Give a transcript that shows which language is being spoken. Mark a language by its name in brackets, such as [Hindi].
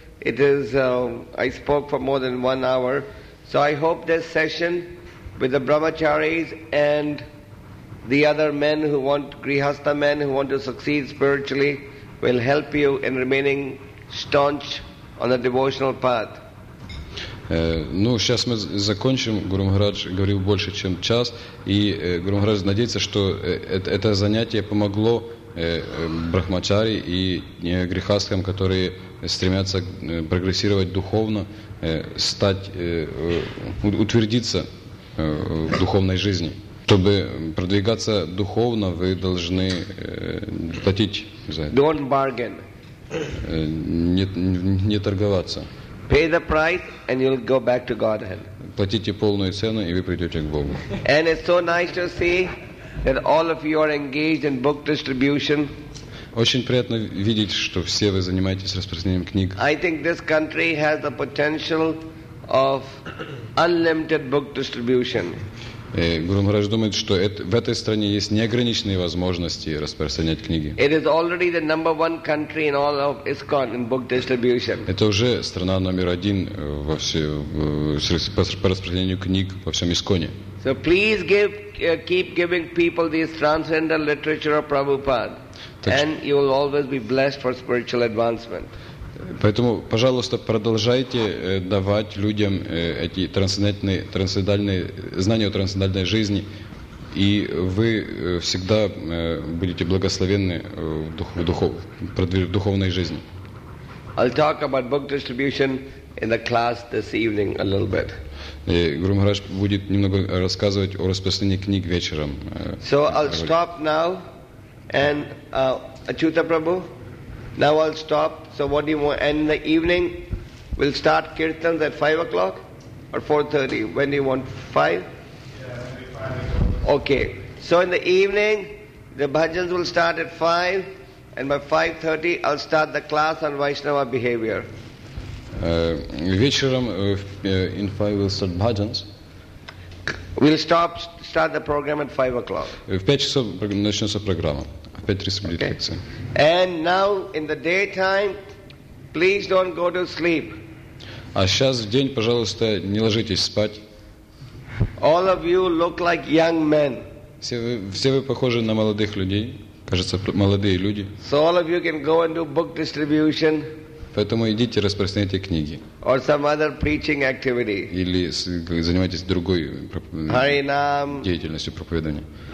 [English] It is I spoke for more than one hour. So I hope this session with the brahmacharis and the other men who want, grihastha men who want to succeed spiritually, will help you in remaining staunch on the devotional path. [Russian] Ну, сейчас мы закончим. Гуру Махарадж говорил больше, чем час. И Гуру Махарадж надеется, что это занятие помогло брахмачари и грихастхам, которые стремятся прогрессировать духовно, стать, утвердиться в духовной жизни. Чтобы продвигаться духовно, вы должны платить за это. [English] Don't bargain. [Russian] Не торговаться. [English] Pay the price and you'll go back to Godhead. [Russian] Платите полную цену, и вы придете к Богу. [English] And it's so nice to see that all of you are engaged in book distribution. [Russian] Очень приятно видеть, что все вы занимаетесь распространением книг. [English] I think this country has the potential of unlimited book distribution. [Russian] Гуру Махарадж думает, что в этой стране есть неограниченные возможности распространять книги. [English] It is already the number one country in all of ISKCON in book distribution. [Russian] Это уже страна номер один во по распространению книг во всем ИСККОНе. [English] So please give, keep giving people this transcendental literature of Prabhupada, and you will always be blessed for spiritual advancement. [Russian] Поэтому, пожалуйста, продолжайте давать людям эти трансцендальные знания о трансцендальной жизни, и вы всегда будете благословенны в духовной жизни. [English] I'll talk about book distribution in the class this evening a little bit. [Russian] Гуру Махарадж будет немного рассказывать о распространении книг вечером. [English] So I'll stop now, and Achyuta Prabhu. Now I'll stop. So what do you want? And in the evening, we'll start kirtans at 5 o'clock or 4:30. When do you want? 5? Okay. So in the evening, the bhajans will start at 5, and by 5:30, I'll start the class on Vaishnava behavior. [Russian] Вечером [English] in 5 we'll start bhajans. We'll stop. Start the program at 5 o'clock. [Russian] В 5 часов начнется программа. [English] Okay. And now in the daytime, please don't go to sleep. [Russian] А сейчас в день, пожалуйста, не ложитесь спать. [English] All of you look like young men. [Russian] Все вы похожи на молодых людей, кажется, молодые люди. [English] So all of you can go and do book distribution. [Russian] Поэтому идите распространяйте книги. [English] Or some other preaching activity. [Russian] Или занимайтесь другой деятельностью проповедования.